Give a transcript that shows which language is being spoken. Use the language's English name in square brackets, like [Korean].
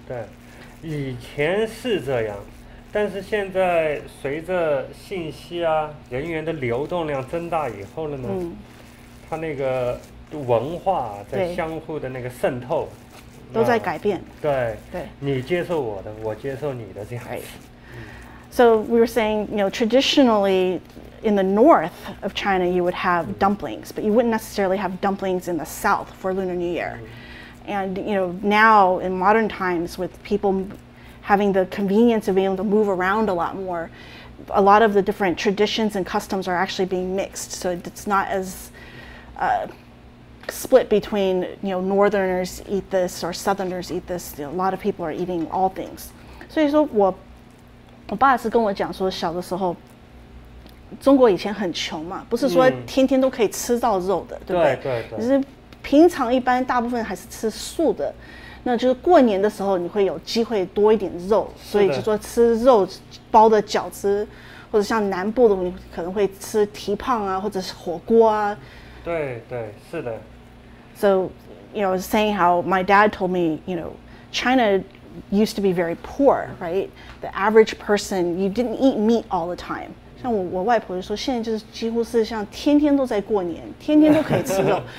[Chinese] 对，以前是这样，但是现在随着信息啊人员的流动量增大以后了呢，它那个文化在相互的那个渗透都在改变。对对，你接受我的，我接受你的，这样子。 [English] So we were saying, you know, traditionally in the north of China you would have dumplings, but you wouldn't necessarily have dumplings in the south for Lunar New Year. And you know, now in modern times with peopleHaving the convenience of being able to move around a lot more, a lot of the different traditions and customs are actually being mixed. So it's not as split between, you know, northerners eat this or southerners eat this. You know, a lot of people are eating all things. [Chinese] 所以说我爸是跟我讲说，小的时候中国以前很穷嘛，不是说天天都可以吃到肉的，对不对？对对对。就是平常一般大部分还是吃素的。那就是过年的时候你会有机会多一点肉，所以就说吃肉包的饺子，或者像南部的你可能会吃蹄膀啊，或者是火锅啊。对对，是的。 [English] So, you know, saying how my dad told me, you know, China used to be very poor, right? The average person, you didn't eat meat all the time. [Chinese] 像我外婆就说现在就是几乎是像天天都在过年，天天都可以吃肉。